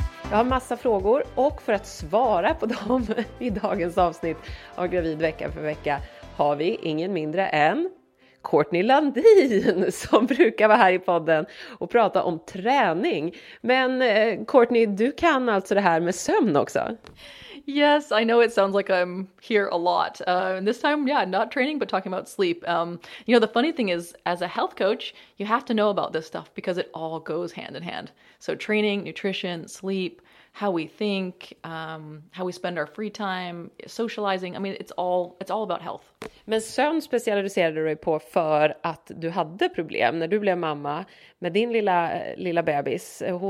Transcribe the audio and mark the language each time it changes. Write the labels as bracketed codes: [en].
[sv] Jag har massa frågor och för att svara på dem i dagens avsnitt av Gravid vecka för vecka har vi ingen mindre än Courtney Landin som brukar vara här i podden och prata om träning. Men Courtney, du kan alltså det här med sömn också. [en] Yes, I know it sounds like I'm here a lot. And this time, yeah, not training, but talking about sleep. You know, the funny thing is, as a health coach, you have to know about this stuff because it all goes hand in hand. So training, nutrition, sleep, how we think, how we spend our free time, socializing. I mean, it's all about health. [sv] Men sömn specialiserade du dig på för att du hade problem när du blev mamma med din lilla bebis.